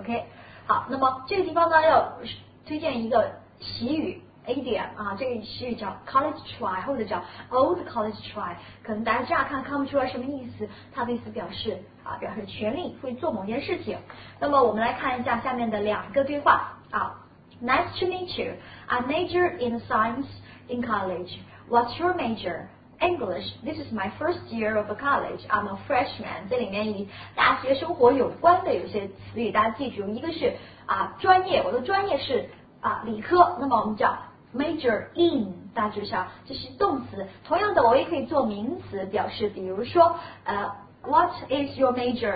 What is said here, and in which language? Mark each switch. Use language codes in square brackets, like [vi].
[zh] OK， 好，那么这个地方呢要推荐一个习语 idiom 啊，这个习语叫 college try 或者叫 old college try， 可能大家乍看看不出来什么意思，它的意思表示啊表示全力会做某件事情。那么我们来看一下下面的两个对话啊。 [en] Nice to meet you. I major in science in college. What's your major? English. This is my first year of a college. I'm a freshman. [zh] 这里面以大学生活有关的有些词语，大家记住，一个是啊专业，我的专业是啊理科，那么我们叫 major in。大致上这是动词，同样的我也可以做名词表示，比如说 [en] What is your major?